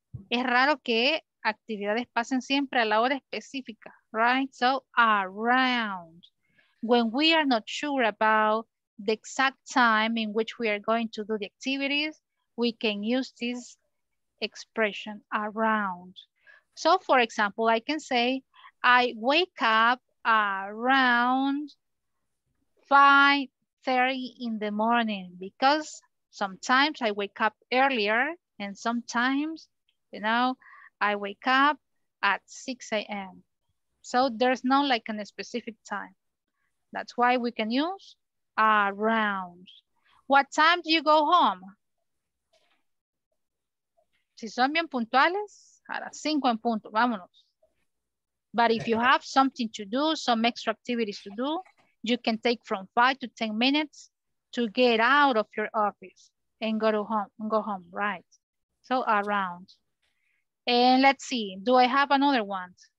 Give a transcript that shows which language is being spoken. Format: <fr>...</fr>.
<es>Es raro que actividades pasen siempre a la hora específica, right?</es> <en>So around. When we are not sure about the exact time in which we are going to do the activities, we can use this expression, around. So for example, I can say, I wake up around 5:30 in the morning, because sometimes I wake up earlier and sometimes, you know, I wake up at 6 a.m. So there's no like a specific time. That's why we can use around. What time do you go home?</en> <es>Si son bien puntuales, a las 5 en punto, vámonos.</es> <en>But if you have something to do, some extra activities to do, you can take from 5 to 10 minutes to get out of your office and go home, right? So around. And let's see, do I have another one?</en>